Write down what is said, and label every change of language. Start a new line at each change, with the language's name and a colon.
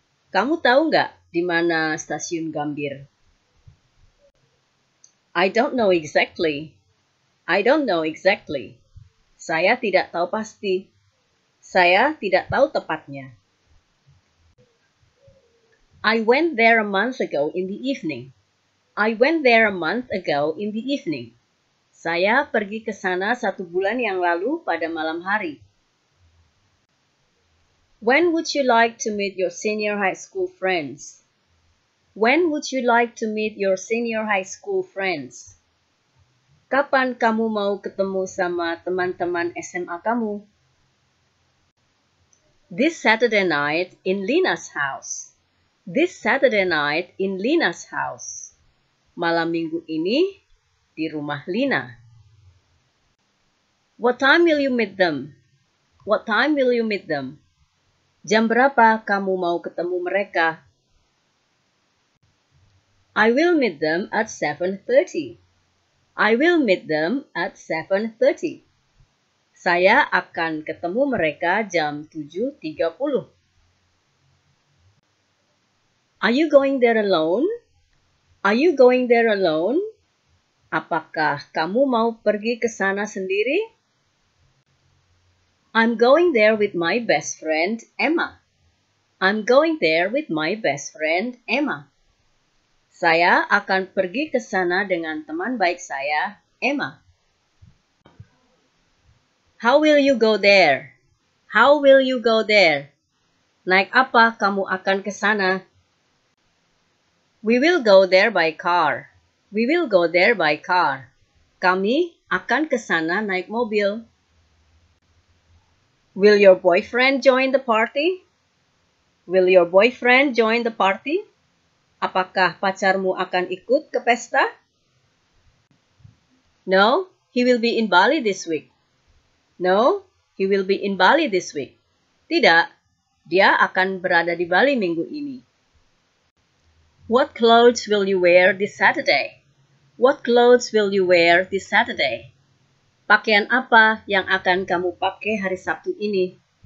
Indonesian: Kamu tahu nggak di mana stasiun Gambir?
English: I don't know exactly. I don't know exactly.
Indonesian: Saya tidak tahu pasti. Saya tidak tahu tepatnya.
English: I went there a month ago in the evening. I went there a month ago in the evening.
Indonesian: Saya pergi ke sana satu bulan yang lalu pada malam hari.
English: When would you like to meet your senior high school friends? When would you like to meet your senior high school friends?
Indonesian: Kapan kamu mau ketemu sama teman-teman SMA kamu?
English: This Saturday night in Lina's house. This Saturday night in Lina's house.
Indonesian: Malam minggu ini di rumah Lina.
English: What time will you meet them? What time will you meet them?
Indonesian: Jam berapa kamu mau ketemu mereka?
English: I will meet them at 7:30. I will meet them at 7:30.
Indonesian: Saya akan ketemu mereka jam 7:30.
English: Are you going there alone? Are you going there alone?
Indonesian: Apakah kamu mau pergi ke sana sendiri?
English: I'm going there with my best friend, Emma. I'm going there with my best friend, Emma.
Indonesian: Saya akan pergi ke sana dengan teman baik saya, Emma.
English: How will you go there? How will you go there?
Indonesian: Naik apa kamu akan ke sana?
English: We will go there by car. We will go there by car.
Indonesian: Kami akan ke sana naik mobil.
English: Will your boyfriend join the party? Will your boyfriend join the party?
Indonesian: Apakah pacarmu akan ikut ke pesta?
English: No, he will be in Bali this week. No, he will be in Bali this week.
Indonesian: Tidak, dia akan berada di Bali minggu ini.
English: What clothes will you wear this Saturday? What clothes will you wear this Saturday?
Indonesian: Pakaian apa yang akan kamu pakai hari Sabtu ini?